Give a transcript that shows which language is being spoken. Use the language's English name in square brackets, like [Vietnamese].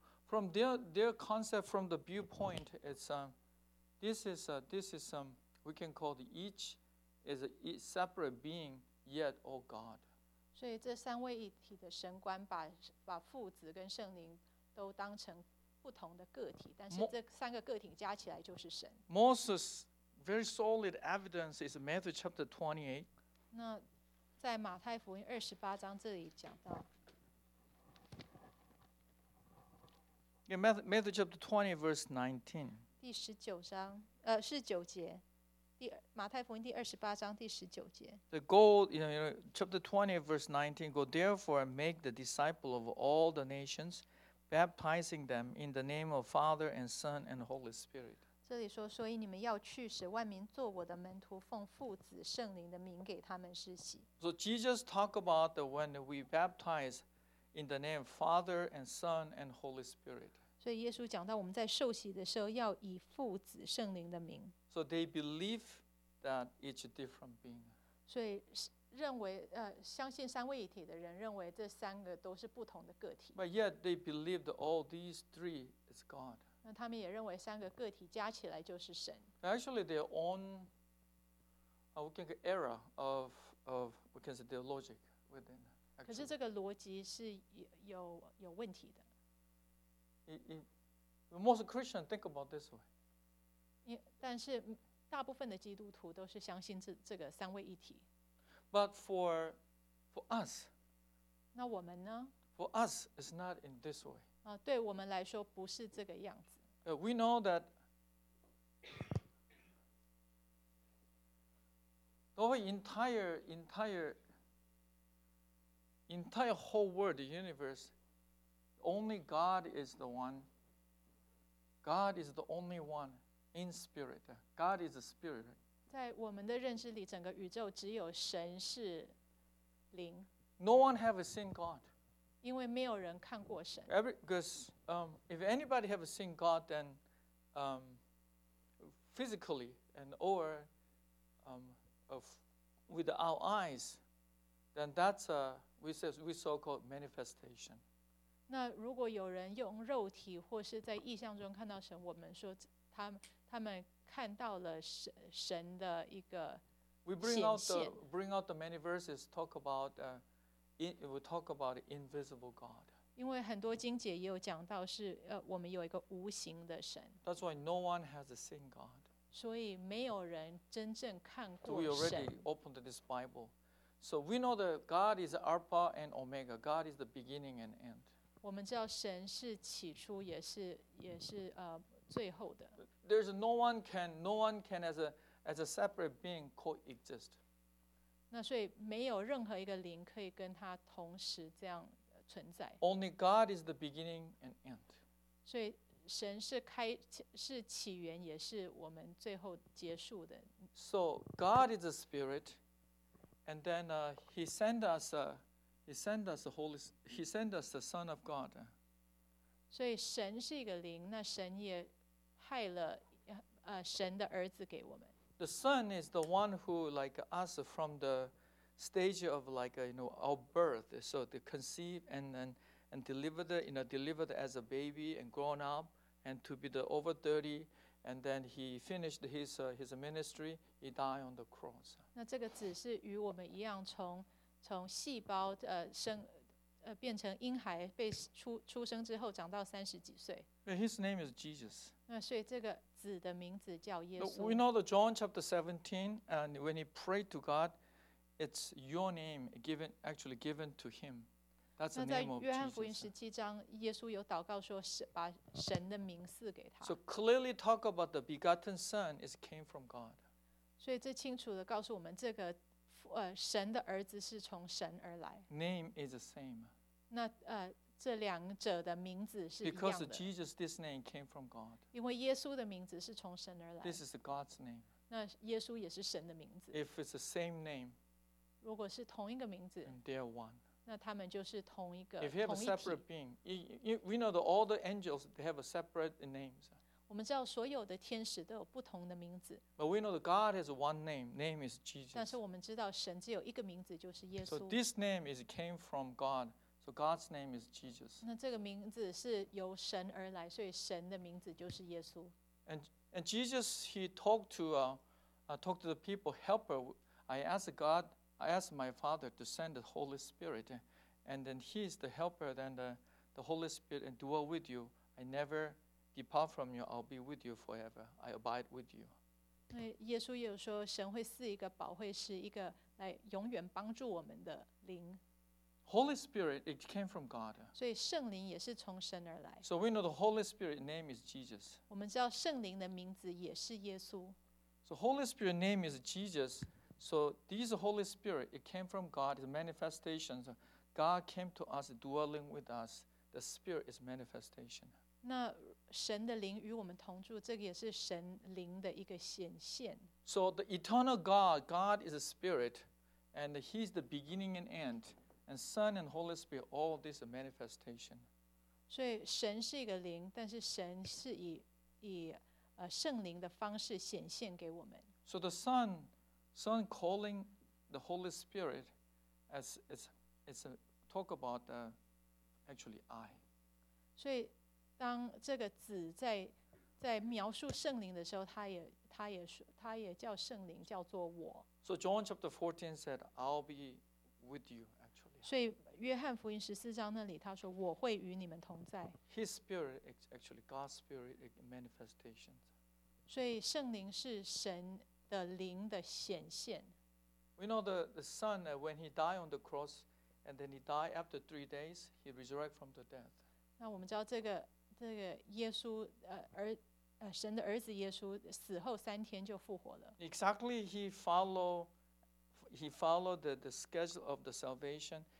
[English] from their concept, from the viewpoint, it's this is we can call the each is a separate being yet all God. [Chinese] 所以这三位一体的神观把父子跟圣灵都当成不同的个体，但是这三个个体加起来就是神。 [English] Moses, very solid evidence is Matthew chapter 28. [Chinese] 那在马太福音二十八章这里讲到。 [English] In Matthew chapter 20, verse 19. [Chinese] 第十九章，十九节。马太福音第二十八章第十九节。 [English] The goal, you know, chapter 20, verse 19, go therefore and make the disciple of all the nations, baptizing them in the name of Father and Son and Holy Spirit. [Chinese] 这里说，所以你们要去，使万民做我的门徒，奉父子圣灵的名给他们施洗。 [English] So Jesus talked about the when we baptize in the name of Father and Son and Holy Spirit. [Chinese] 所以耶稣讲到，我们在受洗的时候要以父子圣灵的名。 [English] So they believe that each different being. [Chinese] 所以认为相信三位一体的人认为这三个都是不同的个体。 [English] But yet they believe that all these three is God. [Chinese] 那他们也认为三个个体加起来就是神。 [English] Actually, their own, we can say error of we can say their logic within. [Chinese] 可是这个逻辑是有问题的。 [English] Most Christians think about this way. [Chinese] 但是大部分的基督徒都是相信这个三位一体。 [English] But for us, [Chinese] 那我们呢？ [English] For us, it's not in this way. [Chinese] 对我们来说不是这个样子。 [English] We know that [Chinese] 都会 [English] entire whole world, the universe, only God is the one. God is the only one. In spirit, God is a spirit. [Chinese] 在我们的认识里，整个宇宙只有神是灵。 [English] No one have seen God. [Chinese] 因为没有人看过神。 [English] Because if anybody have seen God, then physically and or with our eyes, then that's we so called manifestation. [Chinese] 那如果有人用肉体或是在异象中看到神，我们说他。他们看到了神的一个显现。 [English] We bring out the many verses talk about invisible God. [Chinese] 因为很多经节也有讲到是我们有一个无形的神。 [English] That's why no one has seen God. [Chinese] 所以没有人真正看过神。 [English] We already opened this Bible, so we know that God is Alpha and Omega. God is the beginning and end. [Chinese] 我们知道神是起初，也是最后的。 [English] There's no one can as a separate being coexist. [Chinese] 那所以没有任何一个灵可以跟他同时这样存在。 [English] Only God is the beginning and end. [Chinese] 所以神是起源，也是我们最后结束的。 [English] So God is a spirit, and then he sent us the Son of God. [Chinese] 所以神是一个灵，那神也派了。神的儿子给我们。 [English] The son is the one who, like us, from the stage of like you know our birth, so to conceive and delivered, you know, delivered as a baby and grown up and to be the over 30, and then he finished his ministry. He died on the cross. [Chinese] 那这个子是与我们一样从细胞变成婴孩，被出生之后长到三十几岁。 [English] His name is Jesus. [Chinese] 那所以这个子的名字叫耶稣。 [English] We know the John chapter 17, and when he prayed to God, it's your name given to him. That's the name of Jesus. [Chinese] 那在约翰福音十七章，耶稣有祷告说是把神的名赐给他。 [English] So clearly talk about the begotten Son is came from God. [Chinese] 所以这清楚的告诉我们，这个神的儿子是从神而来。 [English] Name is the same. [Chinese] 那这两者的名字是一样的。 [English] Because Jesus, this name came from God. [Chinese] 因为耶稣的名字是从神而来。 [English] This is God's name. [Chinese] 那耶稣也是神的名字。 [English] If it's the same name, [Chinese] 如果是同一个名字， [English] and they are one. [Chinese] 那他们就是同一个。 [English] If you have a separate being, we know that all the angels they have a separate names. [Chinese] 我们知道所有的天使都有不同的名字。 [English] But we know that God has one name. Name is Jesus. [Chinese] 但是我们知道神只有一个名字，就是耶稣。 [English] So this name is came from God. So God's name is Jesus. [Chinese] 那这个名字是由神而来，所以神的名字就是耶稣。 [English] And Jesus, he talked to talked to the people, helper. I asked my Father to send the Holy Spirit, and then he is the helper, then the Holy Spirit and dwell with you. I never depart from you, I'll be with you forever. I abide with you. [Chinese] 耶稣也有说，神会赐一个保惠师，一个来永远帮助我们的灵。 [English] Holy Spirit, it came from God. [Chinese] 所以圣灵也是从神而来。 [English] So we know the Holy Spirit name is Jesus. [Chinese] 我们知道圣灵的名字也是耶稣。 [English] So Holy Spirit name is Jesus. So this Holy Spirit, it came from God. The manifestation, God came to us, dwelling with us. The Spirit is manifestation. [Chinese] 那神的灵与我们同住，这个也是神灵的一个显现。 [English] So the eternal God, God is a Spirit, and He's the beginning and end. And Son and Holy Spirit, all this manifestation. [Chinese] 所以神是一个灵，但是神是以圣灵的方式显现给我们。 [English] So the Son calling the Holy Spirit as it's a talk about actually I. [Chinese] 所以当这个子在描述圣灵的时候，他也叫圣灵叫做我。 [English] So John chapter 14 said, I'll be with you. [Chinese] 所以约翰福音十四章那里他说我会与你们同在。 [English] His spirit is actually God's spirit manifestation. [Chinese] 所以圣灵是神的灵的显现。 [English] We know the Son, when he died on the cross, and then he died after 3 days, he resurrected from the death. [Chinese] 那我们知道这个耶稣神的儿子耶稣死后三天就复活了。 [English] Exactly, he followed the schedule of the salvation.